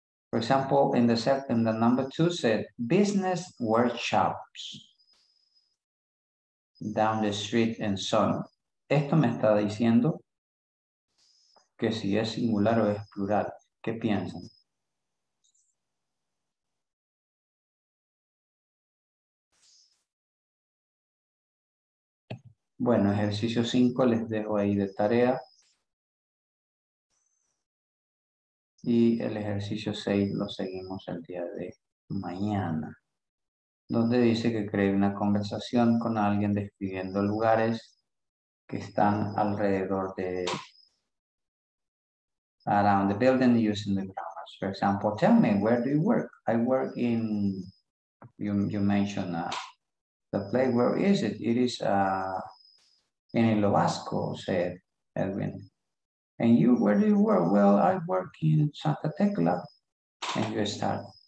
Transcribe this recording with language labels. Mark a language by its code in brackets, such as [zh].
[en] For example, in the number 2 said business workshops down the street and so on. [es] Esto me está diciendo que si es singular o es plural. ¿Qué piensan? Bueno, ejercicio 5 les dejo ahí de tarea. Y el ejercicio 6 lo seguimos el día de mañana. Donde dice que cree una conversación con alguien describiendo lugares que están alrededor de... [en] Around the building using the grammars. For example, tell me, where do you work? I work in... You mentioned the place. Where is it? It is... In Lo Vasco, said Edwin. And you, where do you work? Well, I work in Santa Tecla. And you start